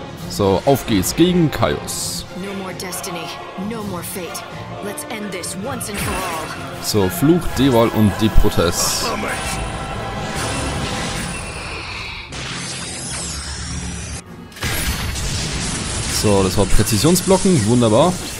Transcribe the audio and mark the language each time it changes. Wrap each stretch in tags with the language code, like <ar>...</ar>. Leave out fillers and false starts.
<de>So, auf geht's gegen Kaius.</de> <en>No more destiny, no more fate. Let's end this once and for all.</en> <de>So, Fluch, Dewahl und Deprotest. So, das war Präzisionsblocken, wunderbar.</de>